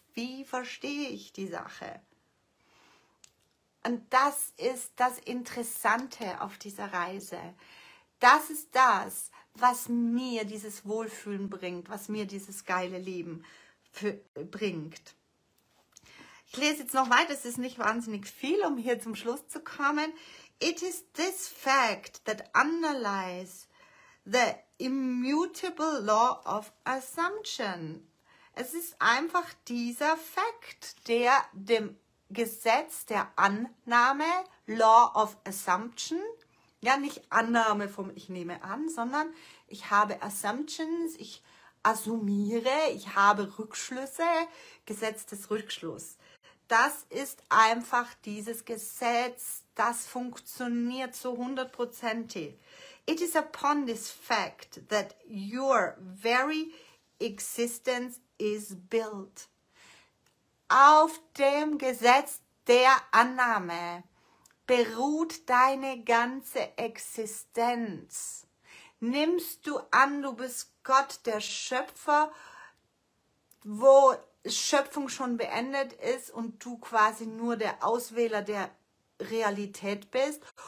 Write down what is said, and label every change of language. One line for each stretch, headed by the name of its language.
German: Wie verstehe ich die Sache? Und das ist das Interessante auf dieser Reise. Das ist das, was mir dieses Wohlfühlen bringt, was mir dieses geile Leben bringt. Ich lese jetzt noch weiter, es ist nicht wahnsinnig viel, um hier zum Schluss zu kommen.
English: It is this fact that underlies the immutable law of assumption.
German: Es ist einfach dieser Fakt, der dem Gesetz der Annahme,
English: law of assumption,
German: ja nicht Annahme vom ich nehme an, sondern ich habe assumptions, ich assumiere, ich habe Rückschlüsse, Gesetz des Rückschluss. Das ist einfach dieses Gesetz, das funktioniert so 100%.
English: It is upon this fact that your very existence is built.
German: Auf dem Gesetz der Annahme beruht deine ganze Existenz. Nimmst du an, du bist Gott, der Schöpfer, wo Schöpfung schon beendet ist und du quasi nur der Auswähler der Realität bist?